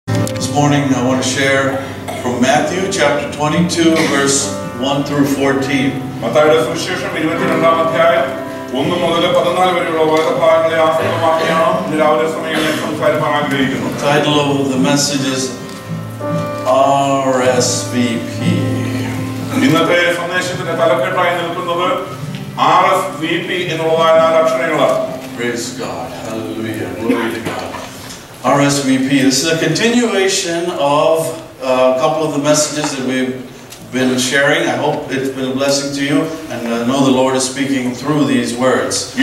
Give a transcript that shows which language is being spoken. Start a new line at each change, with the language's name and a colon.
English: This morning I want to share from Matthew chapter 22, verse 1 through 14.
Malayalam: മത്തായിയുടെ സുവിശേഷം 22-ാം അധ്യായം 1 മുതൽ 14 വരെയുള്ള വളരെ ഭാഗങ്ങളെ ആസ്പദമാക്കിയാണ് രാവിലെ സമയങ്ങളിൽ സംസാരിക്കാൻ ആഗ്രഹിക്കുന്നു.
English: The title of the message is Rsvp.
Malayalam: ഇന്നത്തെ സന്ദേശത്തിന്റെ തലക്കെട്ടായി നിൽക്കുന്നത് Rsvp എന്നുള്ള നാല് അക്ഷരങ്ങളാണ്.
English: Praise God. Hallelujah. Glory to God. RSVP, this is a continuation of a couple of the messages that we've been sharing. I hope it's been a blessing to you, and I know the Lord is speaking through these words.